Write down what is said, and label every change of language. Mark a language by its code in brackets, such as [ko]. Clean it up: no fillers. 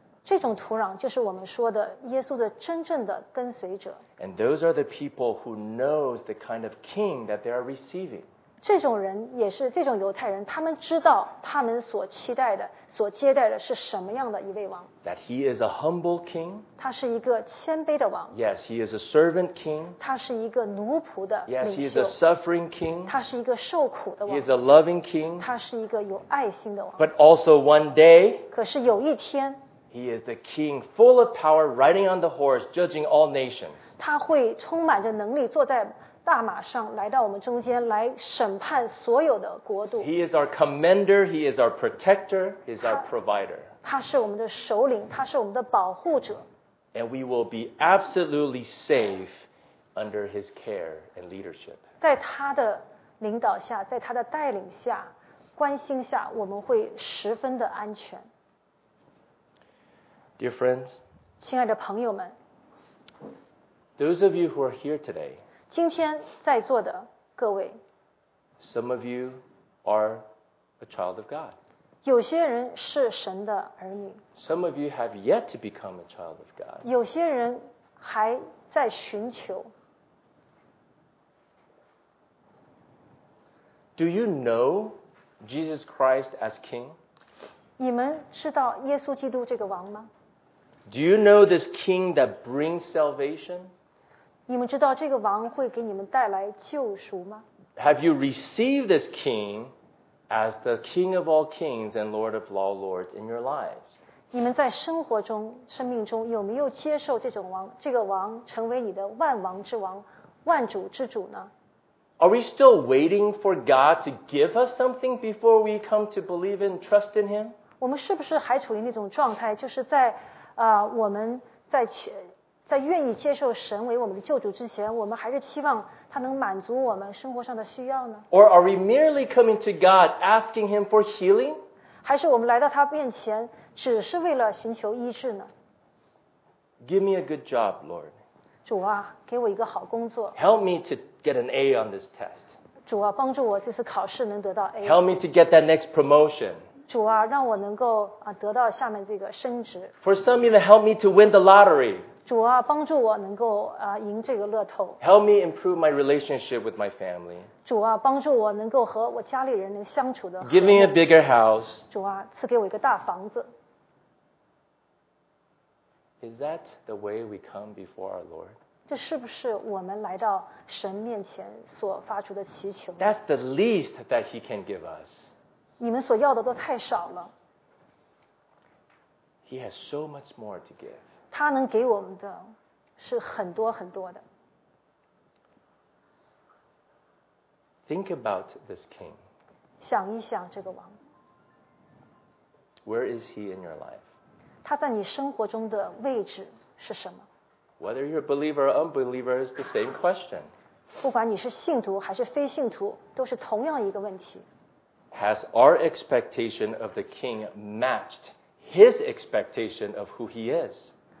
[zh] 这种土壤就是我们说的耶稣的真正的跟随者。 [en] And those are the people who know the kind of king that they are receiving. [zh] 这种人也是这种犹太人, 他们知道他们所期待的, 所接待的是什么样的一位王。 [en] That he is a humble king. [zh] 他是一个谦卑的王。 [en] Yes, he is a servant king. [zh] 他是一个奴仆的领袖。 [en] Yes, he is a suffering king. [zh] 他是一个受苦的王。 [en] He is a loving king. [zh] 他是一个有爱心的王。 [en] But also one day, [zh] 可是有一天, [en] he is the king full of power, riding on the horse, judging all nations. [zh] 他会充满着能力坐在大马上来到我们中间来审判所有的国度。 [en] He is our commander, he is our protector, he is our provider. [zh] 他是我们的首领，他是我们的保护者。 [en] And we will be absolutely safe under his care and leadership. [zh] 在他的领导下，在他的带领下，关心下，我们会十分的安全。 [en] Dear friends, [zh] 亲爱的朋友们， [en] those of you who are here today, [zh] 今天在座的各位， [en] some of you are a child of God. [zh] 有些人是神的儿女， [en] some of you have yet to become a child of God. [zh] 有些人还在寻求。 [en] Do you know Jesus Christ as King? [zh] 你们知道耶稣基督这个王吗？ [en] Do you know this king that brings salvation? [zh] 你们知道这个王会给你们带来救赎吗？ [en] Have you received this king as the king of all kings and lord of all lords in your lives? [zh] 你们在生活中、生命中有没有接受这种王、这个王成为你的万王之王、万主之主呢？ [en] Are we still waiting for God to give us something before we come to believe and trust in him? [zh] 我们是不是还处于那种状态，就是在我们 在愿意接受神为我们的救主之前，我们还是希望他能满足我们生活上的需要呢？ [en] Or are we merely coming to God asking him for healing? [zh] 还是我们来到他面前只是为了寻求医治呢？ [en] Give me a good job, Lord. [zh] 主啊，给我一个好工作。 [en] Help me to get an A on this test. [zh] 主啊，帮助我这次考试能得到 A。 [en] Help me to get that next promotion. [zh] 主啊，让我能够得到下面这个升职。 [en] For some to help me to win the lottery. [zh] 主啊，帮助我能够赢这个乐透。 [en] Help me improve my relationship with my family. [zh] 主啊，帮助我能够和我家里人能相处的。 [en] Give me a bigger house. [zh] 主啊，赐给我一个大房子。 [en] Is that the way we come before our Lord? [zh] 这是不是我们来到神面前所发出的祈求？ [en] That's the least that he can give us. [zh] 你们所要的都太少了。 [en] He has so much more to give. [zh] 他能给我们的是很多很多的。 [en] Think about this king. [zh] 想一想这个王。 [en] Where is he in your life? [zh] 他在你生活中的位置是什么？ [en] Whether you're a believer or unbeliever is the same question. [zh] 不管你是信徒还是非信徒，都是同样一个问题。 [en] Has our expectation of the king matched his expectation of who he is?